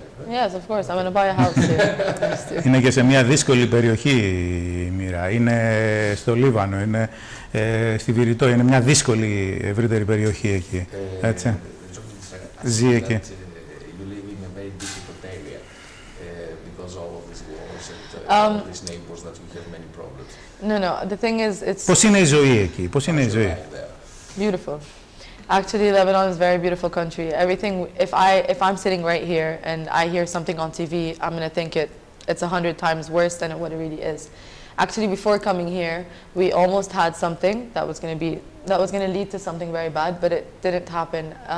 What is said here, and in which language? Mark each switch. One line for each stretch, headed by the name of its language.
English: Yes, of course. I'm going to buy a house here.
Greek: Είναι και σε μια δύσκολη περιοχή η Μοίρα. Είναι στο Λίβανο, είναι στη Βηρυτό. Είναι μια δύσκολη ευρύτερη περιοχή εκεί. Έτσι. Ζει εκεί.
English: You live in a very difficult area because all of these wars and all these neighbors that you have many problems. No, no. The thing is, it's...
Greek: Πώς είναι η ζωή εκεί, πώς είναι η ζωή.
English: Beautiful. Actually, Lebanon is a very beautiful country. Everything, if I'm sitting right here and I hear something on TV, I'm going to think it's 100 times worse than what it really is. Actually, before coming here, we almost had something that was going to lead to something very bad, but it didn't happen.